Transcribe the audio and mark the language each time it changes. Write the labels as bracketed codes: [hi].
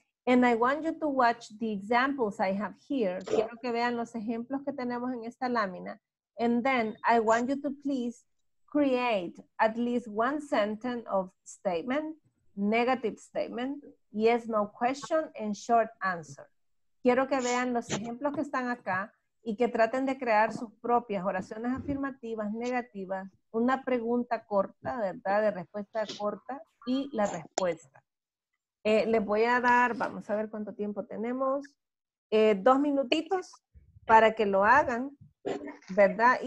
[en] And I want you to watch the examples I have here. [es] Quiero que vean los ejemplos que tenemos en esta lámina. [en] And then I want you to please create at least one sentence of statement, negative statement, yes, no question, and short answer. [es] Quiero que vean los ejemplos que están acá y que traten de crear sus propias oraciones afirmativas, negativas, una pregunta corta, ¿verdad? De respuesta corta y la respuesta. Les voy a dar, vamos a ver cuánto tiempo tenemos, 2 minutitos para que lo hagan, ¿verdad?